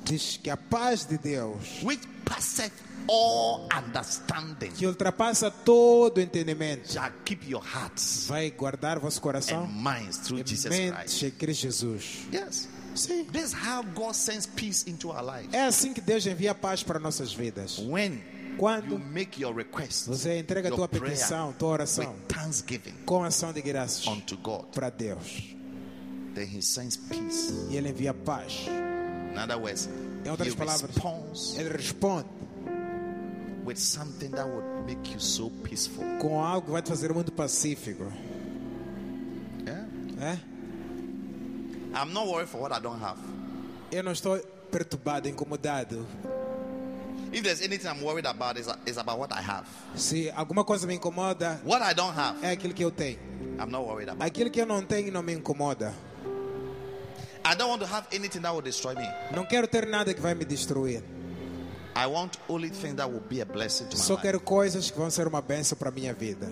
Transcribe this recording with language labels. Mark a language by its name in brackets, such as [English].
[Portuguese] diz que a paz de Deus, [English] which passeth all understanding, [Portuguese] que ultrapassa todo entendimento, [English] shall keep your hearts, [Portuguese] vai guardar vosso coração, [English] and minds through [Portuguese] e [English] Jesus Christ. [Portuguese] Em Cristo Jesus. [English] Yes. See, this is how God sends peace into our lives. [Portuguese] É assim que Deus envia paz para nossas vidas. [English] When [Portuguese] quando [English] you make your request, [Portuguese] você entrega [English] your [Portuguese] tua petição, tua oração, [English] with thanksgiving, [Portuguese] com ação de graças, [English] unto God, [Portuguese] para Deus, [English] then He sends peace. [Portuguese] E Ele envia paz. [English] In other words, [Portuguese] em outras [English] he [Portuguese] palavras, [English] responds, [Portuguese] Ele responde [English] with something that would make you so peaceful. [Portuguese] Com algo que vai te fazer muito pacífico. [English] Yeah. [Portuguese] É? [English] I'm not worried for what I don't have. [Portuguese] Eu não estou perturbado, incomodado. [English] If there's anything I'm worried about, is about what I have. [Portuguese] Se alguma coisa me incomoda, [English] what I don't have, [Portuguese] é aquilo que eu tenho. [English] I'm not worried about. [Portuguese] Aquilo que eu não tenho não me incomoda. [English] I don't want to have anything that will destroy me. [Portuguese] Não quero ter nada que vai me destruir. [English] I want only things that will be a blessing to my life. [Portuguese] Só quero coisas que vão ser uma bênção para minha vida.